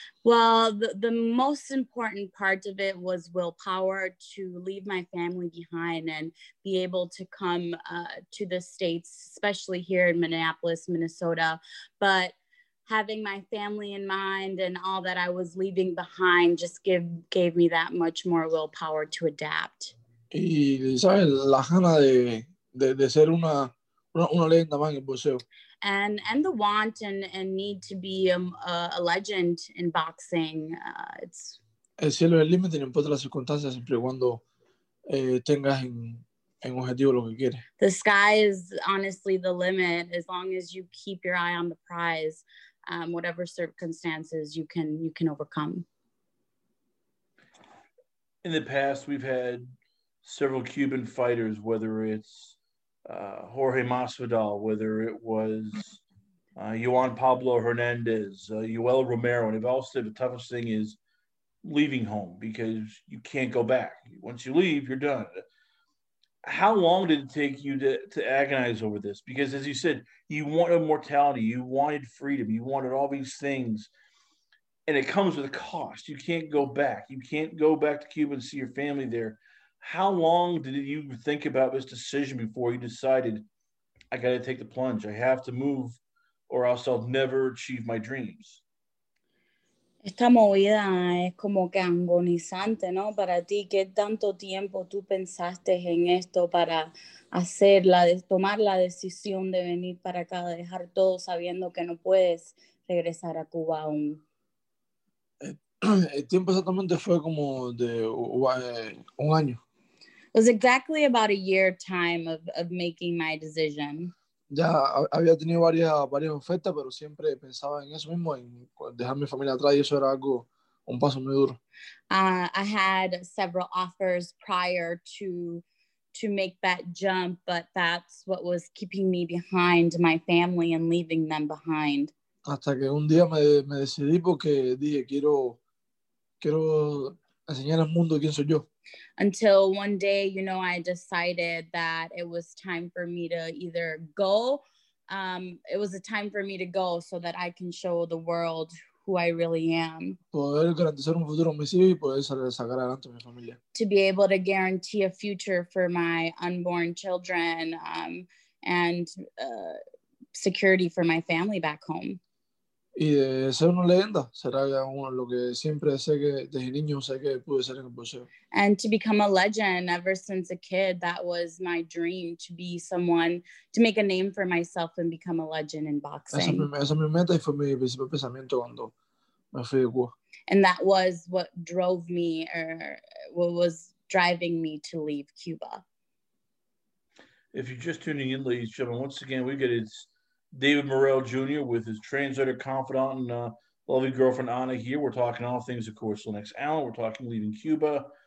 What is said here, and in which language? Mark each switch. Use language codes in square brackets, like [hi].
[en] Well, the most important part of it was willpower to leave my family behind and be able to come to the States, especially here in Minneapolis, Minnesota. But having my family in mind and all that I was leaving behind just gave me that much more willpower to adapt. [es] Y sabes, la gana de ser una leyenda más en el boxeo. [en] And the want and need to be a legend in boxing. It's [es] el cielo es el límite, no importa las circunstancias, siempre y cuando tengas en objetivo lo que quieres. [en] The sky is honestly the limit, as long as you keep your eye on the prize, whatever circumstances you can overcome. In the past, we've had several Cuban fighters, whether it's Jorge Masvidal, whether it was Juan Pablo Hernandez, Yoel Romero, and they've all said the toughest thing is leaving home because you can't go back. Once you leave, you're done. How long did it take you to agonize over this? Because as you said, you wanted immortality, you wanted freedom, you wanted all these things, and it comes with a cost. You can't go back. You can't go back to Cuba and see your family there. How long did you think about this decision before you decided, I got to take the plunge, I have to move, or else I'll never achieve my dreams? [es] Esta movida es como que agonizante, ¿no? Para ti, ¿qué tanto tiempo tú pensaste en esto para hacerla, tomar la decisión de venir para acá, dejar todo sabiendo que no puedes regresar a Cuba aún? El tiempo exactamente fue como de un año. [en] It was exactly about a year time of making my decision. [es] Ya había tenido varias ofertas, pero siempre pensaba en eso mismo, en dejar mi familia atrás, y eso era algo, un paso muy duro. [en] I had several offers prior to make that jump, but that's what was keeping me behind my family and leaving them behind. [es] Hasta que un día me decidí porque dije, quiero enseñar al mundo quién soy yo. [en] Until one day, you know, I decided that it was time for me to either go. It was a time for me to go so that I can show the world who I really am. [es] Poder garantizar un futuro a mis hijos y poder sacar adelante a mi familia. [en] To be able to guarantee a future for my unborn children and security for my family back home. [es] Y de ser una leyenda, será uno lo que siempre sé que desde niño sé que pude ser en el boxeo. [en] And to become a legend, ever since a kid, that was my dream, to be someone, to make a name for myself and become a legend in boxing. [es] Esa es mi meta y fue mi principal pensamiento cuando me fui de Cuba. [en] And that was what drove me, or what was driving me to leave Cuba. If you're just tuning in, ladies and gentlemen, once again, we get it's David Morrell Jr. with his translator, confidant, and lovely girlfriend, Anna, here. We're talking all things, of course, Lennox Allen. We're talking leaving Cuba.